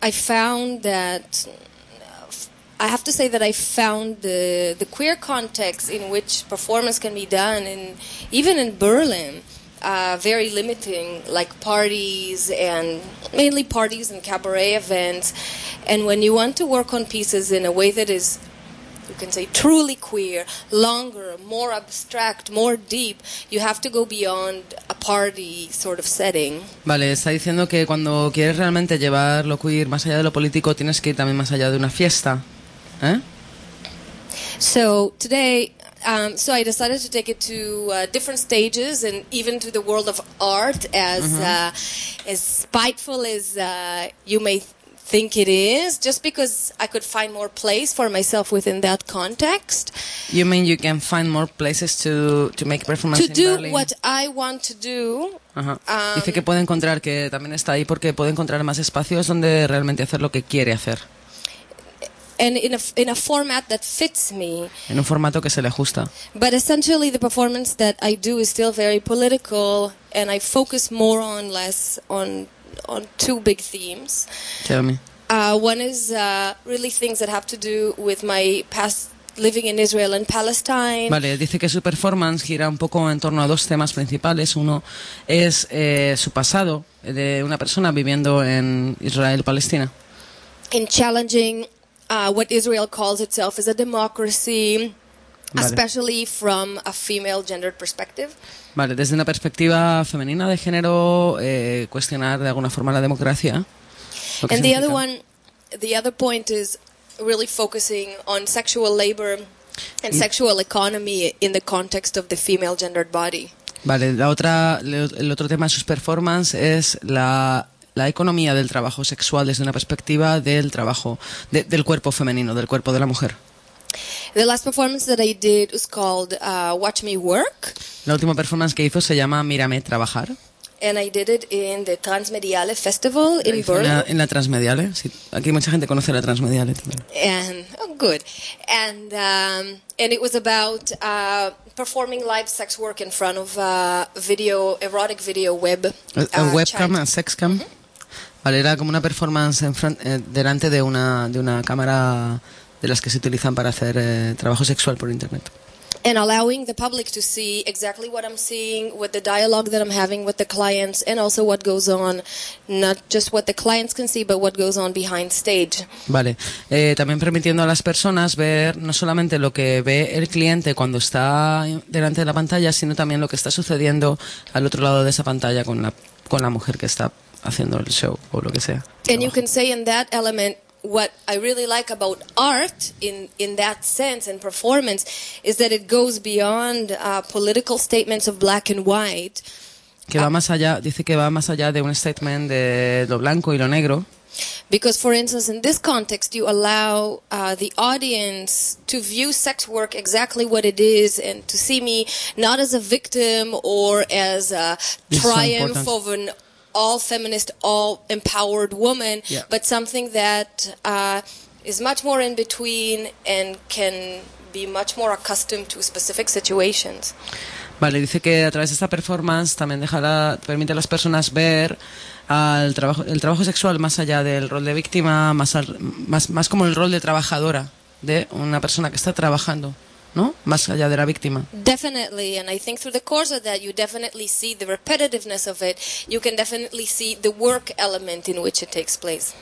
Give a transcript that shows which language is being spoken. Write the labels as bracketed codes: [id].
[en] I have to say that I found the queer context in which performance can be done, and even in Berlin, very limiting, like parties, and mainly parties and cabaret events. And when you want to work on pieces in a way that is, you can say, truly queer, longer, more abstract, more deep, you have to go beyond a party sort of setting. [es] Vale, está diciendo que cuando quieres realmente llevar lo queer más allá de lo político, tienes que ir también más allá de una fiesta, ¿eh? [en] So today, so I decided to take it to different stages, and even to the world of art, as spiteful as you may think it is, just because I could find more place for myself within that context. You mean you can find more places to make performance to in do Berlin? What I want to do. [es] Dice que puede encontrar, que también está ahí porque puede encontrar más espacios donde realmente hacer lo que quiere hacer. [en] And in a format that fits me. [es] En un formato que se le ajusta. [en] But essentially the performance that I do is still very political, and I focus more on less on two big themes. Tell me. One is really things that have to do with my past living in Israel and Palestine. [es] Vale, dice que su performance gira un poco en torno a dos temas principales. Uno es su pasado de una persona viviendo en Israel, Palestina. [en] In challenging what Israel calls itself is a democracy, [es] vale, [en] especially from a female gendered perspective. [es] Vale, desde una perspectiva femenina de género, cuestionar de alguna forma la democracia. [en] And the other point is really focusing on sexual labor and sexual economy in the context of the female gendered body. [es] Vale, el otro tema de sus performance es la economía del trabajo sexual desde una perspectiva del trabajo del cuerpo femenino, del cuerpo de la mujer. [en] The last performance that I did was called Watch Me Work. [es] La última performance que hizo se llama Mírame Trabajar. [en] And I did it in the Transmediale Festival in Berlin. [es] En la Transmediale, sí. Aquí mucha gente conoce la Transmediale también. [en] And good. And and it was about performing live sex work in front of a video, erotic video web. A webcam, a sex cam. Mm-hmm. [es] Vale, era como una performance delante de una cámara de las que se utilizan para hacer trabajo sexual por internet. [en] And allowing the public to see exactly what I'm seeing, with the dialogue that I'm having with the clients, and also what goes on, not just what the clients can see, but what goes on behind stage. [es] Vale. También permitiendo a las personas ver no solamente lo que ve el cliente cuando está delante de la pantalla, sino también lo que está sucediendo al otro lado de esa pantalla con la mujer que está haciendo el show o lo que sea. [en] And you can say in that element, what I really like about art in that sense and performance is that it goes beyond political statements of black and white. [es] Que va más allá, dice que va más allá de un statement de lo blanco y lo negro. [en] Because, for instance, in this context, you allow the audience to view sex work exactly what it is, and to see me not as a victim or as a triumph of an all feminist, all empowered woman, yeah, but something that is much more in between and can be much more accustomed to specific situations. [es] Vale, dice que a través de esta performance también permite a las personas ver el trabajo sexual más allá del rol de víctima, más como el rol de trabajadora, de una persona que está trabajando ¿no? Más allá de la víctima. [en] Definitely, and I think through the course of that you definitely see the repetitiveness of it. You can definitely see the work element in which it takes place.